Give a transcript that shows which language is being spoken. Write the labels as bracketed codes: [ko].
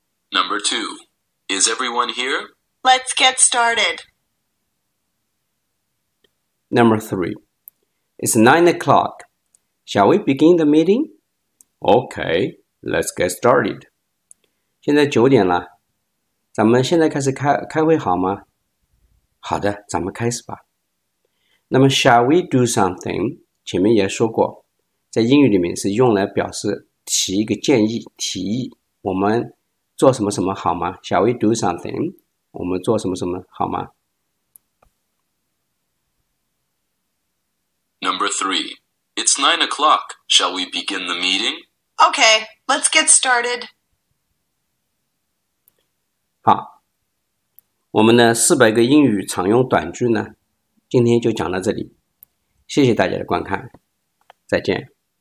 [en] Number two, is everyone here? Let's get started. Number three, it's 9 o'clock. Shall we begin the meeting? Okay, let's get started. [zh] 现在九点了。咱们现在开始开会好吗？好的，咱们开始吧。那么 [en] shall we do something? [zh] 前面也说过，在英语里面是用来表示提一个建议，提议我们做什么什么好吗？ [en] shall we do something? [zh] 我们做什么什么好吗？ [en] Number three, it's 9 o'clock. Shall we begin the meeting? Okay, let's get started. [zh] 好，我们的400个英语常用短句呢，今天就讲到这里，谢谢大家的观看，再见。